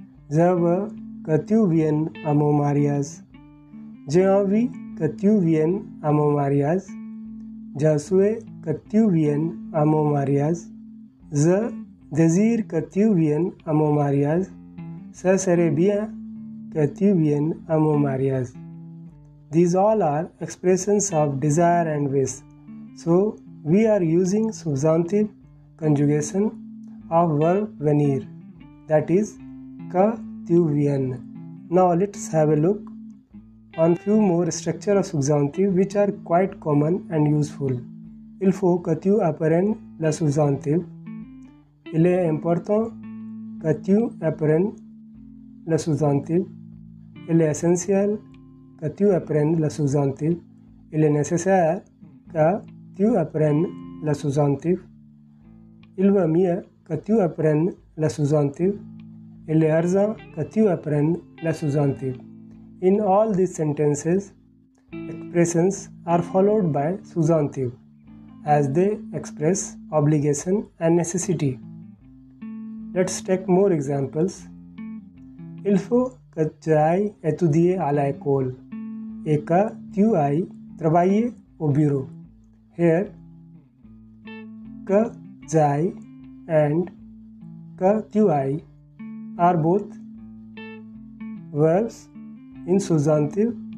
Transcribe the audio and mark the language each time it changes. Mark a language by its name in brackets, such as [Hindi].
[French] Je veux que tu viennes à mon mariage. J'ai envie que tu viennes à mon mariage. Je souhaite que tu viennes à mon mariage. Je désire que tu viennes à mon mariage. Ce serait bien que tu viennes à mon mariage. [English] These all are expressions of desire and wish. So, we are using subjunctive conjugation of verb venir, that is, [French] que tu viennes. [English] Now let's have a look on few more structure of subjunctive which are quite common and useful. [French] Il faut que tu apprennes la subjunctive. Il est important que tu apprennes la subjunctive. Il est essentiel que tu apprennes la subjunctive. Il est nécessaire que tu apprennes la subjunctive. Il vaut mieux que tu apprennes la subjunctive. Eleazar, the thief apprehend La Suzanne thief. [English] In all these sentences, expressions are followed by Suzanne thief, as they express obligation and necessity. Let's take more examples. [French] Il faut que j'aille étudier à l'école et que tu ailles travailler au bureau. [English] Here, [French] que j'aille [English] and [French] que tu ailles [English] are both verbs in subjunctive.